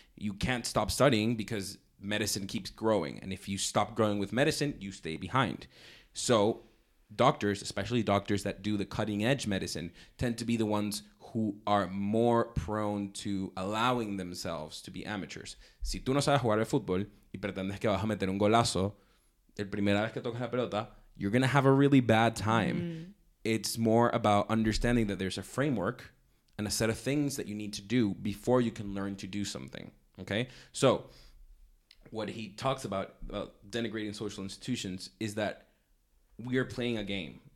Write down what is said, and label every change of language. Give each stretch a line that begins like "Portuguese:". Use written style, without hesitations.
English: You can't stop studying because medicine keeps growing. And if you stop growing with medicine, you stay behind. So doctors, especially doctors that do the cutting edge medicine, tend to be the ones who are more prone to allowing themselves to be amateurs.
Spanish: Si tú no sabes jugar al fútbol y pretendes que vas a meter un golazo, el primera vez que tocas la pelota,
English: you're going to have a really bad time. Mm-hmm. It's more about understanding that there's a framework and a set of things that you need to do before you can learn to do something. Okay. So what he talks about denigrating social institutions is that we are playing a game.